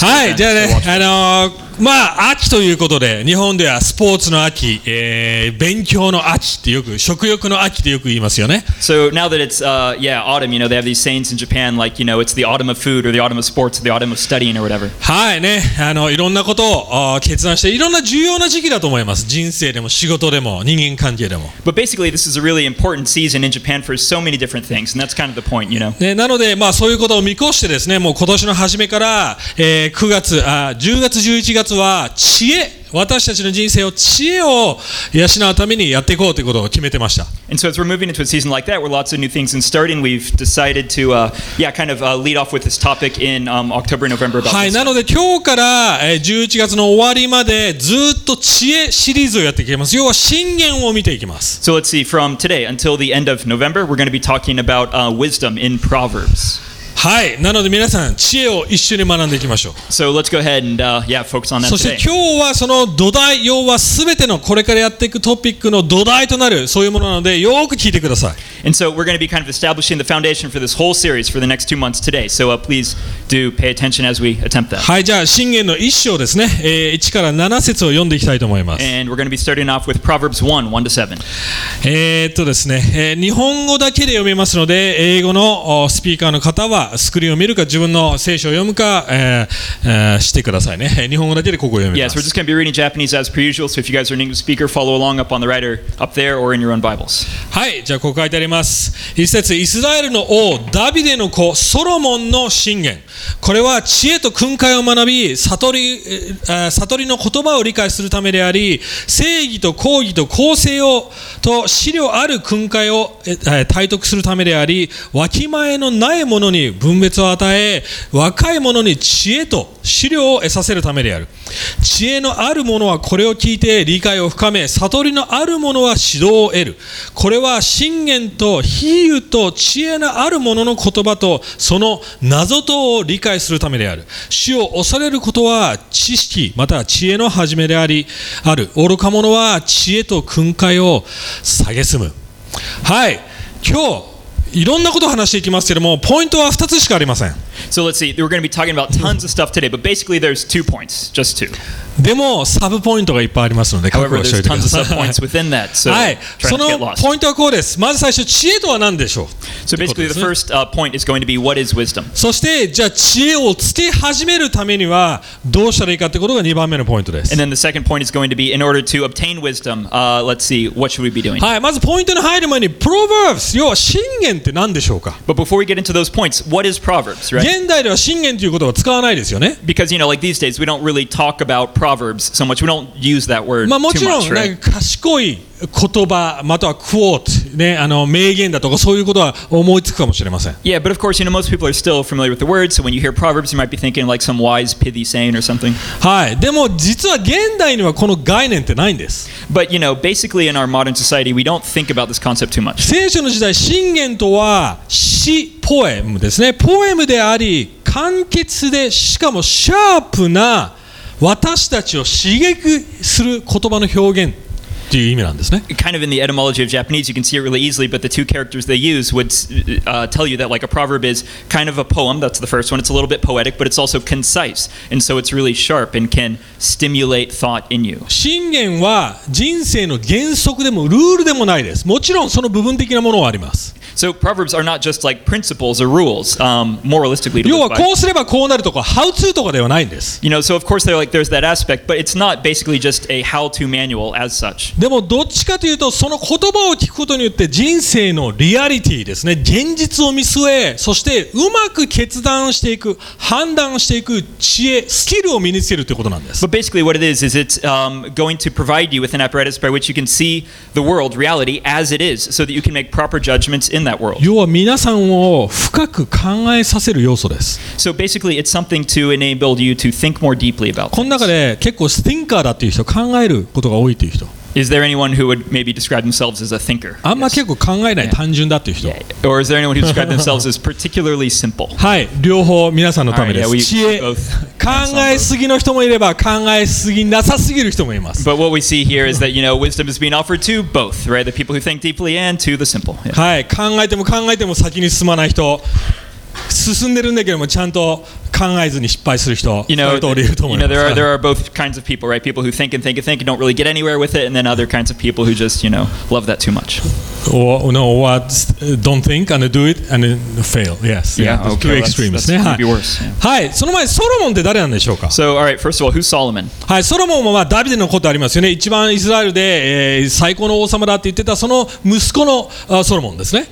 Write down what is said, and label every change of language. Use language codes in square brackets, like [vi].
[ja] はい、じゃあね、まあ、秋ということで、日本ではスポーツの秋、勉強の秋ってよく、食欲の秋ってよく言いますよね。 [en] So now that it's, yeah, autumn, you know, they have these sayings in Japan, like, you know, it's the autumn of food, or the autumn of sports, or the autumn of studying, or whatever. [ja] はいね、いろんなことを決断して、いろんな重要な時期だと思います。人生でも、仕事でも、人間関係でも。 [en] But basically, this is a really important season in Japan for so many different things, and that's kind of the point, you know. [ja] ね、なので、まあ、そういうことを見越してですね、もう今年の初めから、10月、11月は知恵、私たちの人生を知恵を養うためにやっていこうということを決めてました。 [en] And so as we're moving into a season like that, where lots of new things and starting, we've decided to, lead off with this topic in October, November about this. [ja] はい、なので今日から11月の終わりまでずっと知恵シリーズをやっていきます。要は箴言を見ていきます。 [en] So let's see, from today until the end of November, we're going to be talking about wisdom in Proverbs. [ja] はい、なので皆さん知恵を一緒に学んでいきましょう。 [en] So let's go ahead and, focus on that today. [ja] そして今日はその土台、要は全てのこれからやっていくトピックの土台となるそういうものなのでよく聞いてください。 [en] And so we're going to be kind of establishing the foundation for this whole series for the next 2 months today. So please do pay attention as we attempt that. [ja] はい、じゃあ箴言の一章ですね、1から7節を読んでいきたいと思います。 [en] And we're going to be starting off with Proverbs 1, 1 to 7. [ja] ですね、日本語だけで読めますので英語のスピーカーの方はスクリーンを見るか自分の聖書を読むか、してくださいね。日本語だけでここを読みます。 [en] Yes, we're just going to be reading Japanese as per usual. So if you guys are an English speaker, follow along up on the writer up there or in your own Bibles. [ja] はい、じゃあここ書いてあります。一節、イスラエルの王ダビデの子ソロモンの箴言。これは知恵と訓戒を学び、悟りの言葉を理解するためであり、正義と公義と公正をと思慮ある訓戒を体得するためであり、わきまえのないものに分別を与え、若い者に知恵と資料を得させるためである。知恵のある者はこれを聞いて理解を深め、悟りのある者は指導を得る。これは箴言と比喩と知恵のある者の言葉とその謎とを理解するためである。主を恐れることは知識または知恵の始めであり、ある愚か者は知恵と訓戒を蔑む。はい、今日いろんなことを話していきますけれども、ポイントは2つしかありません。 [en] So let's see, we're going to be talking about tons of stuff today, but basically there's two points, just two. [ja] でも、サブポイントがいっぱいありますので、 [en] However, there's tons of subpoints within that, so try not to get lost. [ja] ポイントはこうです。まず最初、知恵とは何でしょう? [en] So basically the first point is going to be, what is wisdom? [ja] そして、じゃあ知恵をつけ始めるためにはどうしたらいいかってことが2番目のポイントです。 [en] And then the second point is going to be, in order to obtain wisdom, let's see, what should we be doing? [ja] はい、まずポイントに入る前に、Proverbs、要は箴言って何でしょうか? [en] But before we get into those points, what is Proverbs, right? [ja] 現代では箴言という言葉は使わないですよね。 [en] Because, you know, like these days, we don't really talk about Proverbs so much. We don't use that word too much, right? [ja] まあもちろん、なんか賢い言葉、またはクォート、ね、名言だとかそういうことは思いつくかもしれません。 [en] Yeah, but of course, you know, most people are still familiar with the word, so when you hear Proverbs, you might be thinking like some wise, pithy saying or something. [ja] はい、でも実は現代にはこの概念ってないんです。 [en] But, you know, basically in our modern society, we don't think about this concept too much. [ja] 聖書の時代、箴言とは詩、ポエムですね。ポエムであり、簡潔で、しかもシャープな私たちを刺激する言葉の表現。という意味なんですね。 [en] Kind of in the etymology of Japanese, you can see it really easily, but the two characters they use would tell you that like a proverb is kind of a poem, that's the first one. It's a little bit poetic, but it's also concise, and so it's really sharp and can stimulate thought in you. [ja] 箴言は人生の原則でもルールでもないです。もちろんその部分的なものはあります。 [en] So proverbs are not just like principles or rules, moralistically to live by. [ja] 要はこうすればこうなるとか、how to とかではないんです。 [en] You know, so of course they're like, there's that aspect, but it's not basically just a how-to manual as such. [ja] でもどっちかというとその言葉を聞くことによって人生のリアリティですね、現実を見据え、そしてうまく決断していく、判断していく知恵、スキルを身につけるということなんです。 [en] But basically what it is it's going to provide you with an apparatus by which you can see the world, reality as it is, so that you can make proper judgments in that world. [ja] 要は皆さんを深く考えさせる要素です。 [en] So basically it's something to enable you to think more deeply about [ja] この中で結構スティンカーだっていう人、考えることが多いっていう人、 [en] Is there anyone who would maybe describe themselves as a thinker? [ja] あんま結構考えない、 [en] yeah. [ja] 単純だっていう人。 [en] Yeah. Or is there anyone who describes themselves as particularly simple? [ja] はい、両方皆さんのためです。 [en] Right, yeah, 知恵、both. [ja] 考えすぎの人もいれば考えすぎなさすぎる人もいます。 [en] But what we see here is that, you know, wisdom is being offered to both, right? The people who think deeply and to the simple. Yeah. [ja] はい、考えても考えても先に進まない人。進んでるんだけども、ちゃんと考えずに失敗する人、それと言えると思います。 [en] You know, there are both kinds of people, right? People who think and think and think and don't really get anywhere with it, and then other kinds of people who just, you know, love that too much. Or don't think and do it and fail. Yes. Yeah. Okay. Two extremes. That's gonna be worse. [ja] はい。その前、ソロモンって誰なんでしょうか? [en] So, all right. First of all, who's Solomon? [ja] はい。ソロモンもまあダビデのことありますよね。一番イスラエルで、最高の王様だって言ってたその息子の、ソロモンですね。